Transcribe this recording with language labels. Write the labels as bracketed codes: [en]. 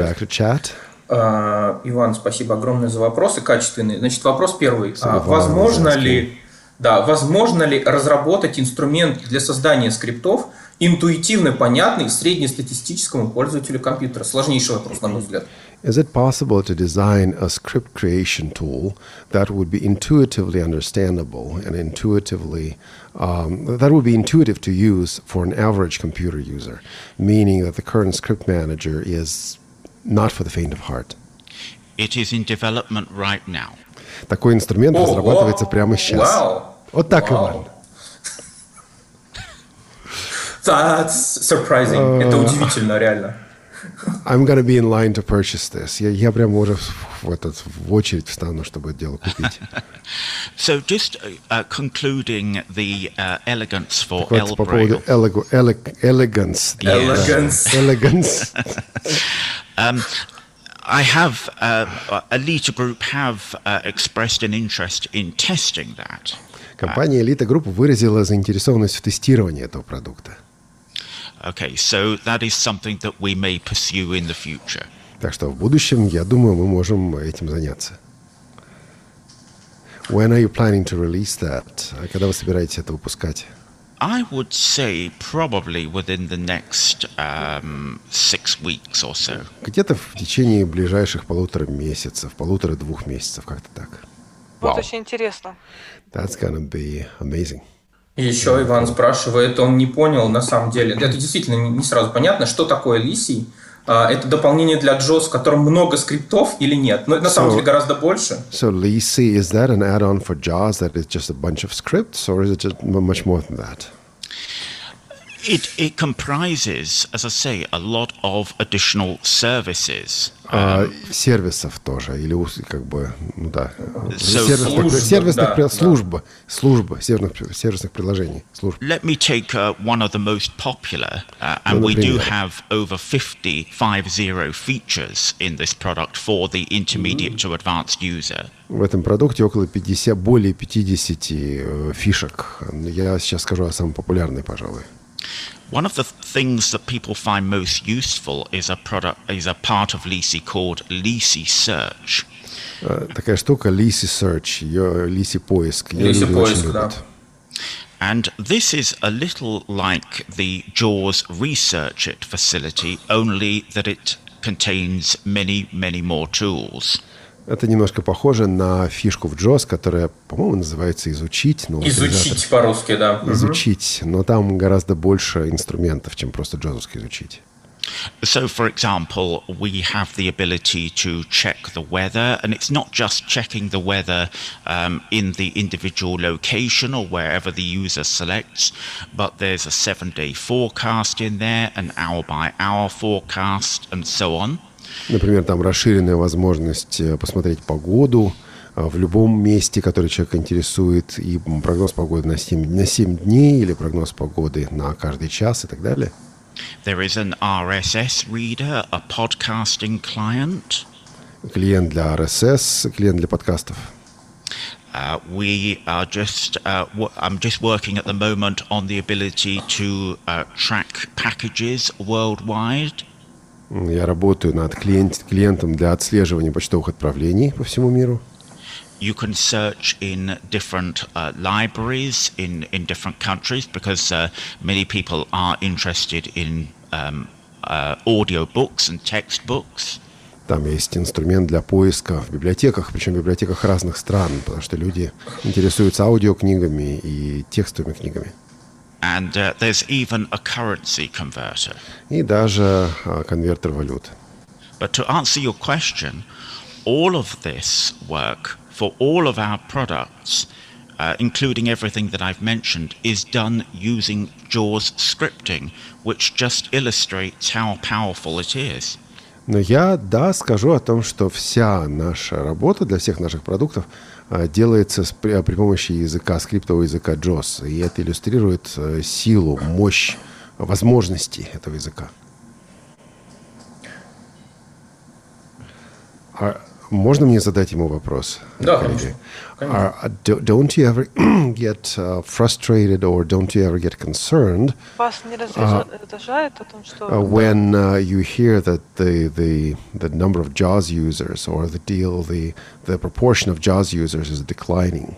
[en] Moving back to chat. [ru] Иван, спасибо огромное за вопросы, качественные. Значит, вопрос первый. Возможно ли разработать инструмент для создания скриптов интуитивно понятный среднестатистическому пользователю компьютера? Сложнейший вопрос, на мой взгляд. [en] Is it possible to design a script creation tool that would be intuitively understandable and intuitively that would be intuitive to use for an average computer user, meaning that the current script manager is not for the faint of heart. It is in development right now. [ru] Такой инструмент разрабатывается прямо сейчас. Вот так, Иван. [en] That's surprising. [ru] Это удивительно, реально. [en] I'm going to be in line to purchase this. [ru] Я прямо уже в очередь встану, чтобы это дело купить. [en] So just concluding the elegance for [ru] L-Braille. Так вот, по поводу elegance. [en] Elegance. I have Elite Group have expressed an interest in testing that. [ru] Компания Elite Group выразила заинтересованность в тестировании этого продукта. [en] Okay, so that is something that we may pursue in the future. [ru] Так что в будущем, я думаю, мы можем этим заняться. [en] When are you planning to release that? [ru] Когда вы собираетесь это выпускать? [en] I would say probably within the next 6 weeks or so. [ru] Где-то в течение ближайших полутора месяцев, полутора-двух месяцев, как-то так. Вот очень интересно. [en] That's gonna be amazing. [ru] Еще Иван спрашивает, он не понял на самом деле. Это действительно не сразу понятно, что такое Elysii. Это дополнение для JAWS, в котором много скриптов или нет? Но это на самом деле гораздо больше. [en] So Elysii, is that an add-on for JAWS that is just a bunch of scripts, or is it just much more than that? It comprises, as I say, a lot of additional services. [ru] Сервисов тоже, или как бы, ну да. [en] So [ru] сервисных, служба, сервисных, да, служба, да. Служба, сервисных, сервисных приложений, служб. [en] Let me take one of the most popular, and [ru] ну, например, [en] we do have over 50 features in this product for the intermediate to advanced user. [ru] В этом продукте около 50, более 50 фишек. Я сейчас скажу о самой популярной, пожалуй. [en] One of the things that people find most useful is a product, is a part of Leesy called Leesy Search. [ru] Такая штука Leesy Search, Leesy поиск. Leesy поиск, да. [en] And this is a little like the JAWS Research It facility, only that it contains many, many more tools. [ru] Это немножко похоже на фишку в JAWS, которая, по-моему, называется «изучить». Ну, «Изучить» по-русски, да. «Изучить», но там гораздо больше инструментов, чем просто JAWS-овский «изучить». [en] So, for example, we have the ability to check the weather, and it's not just checking the weather in the individual location or wherever the user selects, but there's a 7-day forecast in there, an hour-by-hour forecast, and so on. [ru] Например, там расширенная возможность посмотреть погоду в любом месте, который человек интересует, и прогноз погоды на 7 дней или прогноз погоды на каждый час и так далее. [en] There is an RSS reader, a podcasting client. [ru] Клиент для RSS, клиент для подкастов. [en] We are just, I'm just working at the moment on the ability to track packages worldwide. [ru] Я работаю над клиентом для отслеживания почтовых отправлений по всему миру. [en] You can search in different libraries in different countries because many people are interested in audiobooks and textbooks. [ru] Там есть инструмент для поиска в библиотеках, причем в библиотеках разных стран, потому что люди интересуются аудиокнигами и текстовыми книгами. [en] And there's even a currency converter. [ru] И даже конвертер валют. [en] But to answer your question, all of this work for all of our products, including everything that I've mentioned, is done using JAWS scripting, which just illustrates how powerful it is. [ru] Но я, да, скажу о том, что вся наша работа для всех наших продуктов делается при помощи языка, скриптового языка JAWS. И это иллюстрирует силу, мощь, возможности этого языка. Можно мне задать ему вопрос? Да, коллеги? Конечно. [en] Don't you ever get frustrated or don't you ever get concerned when you hear that the number of JAWS users or the deal, the proportion of JAWS users is declining?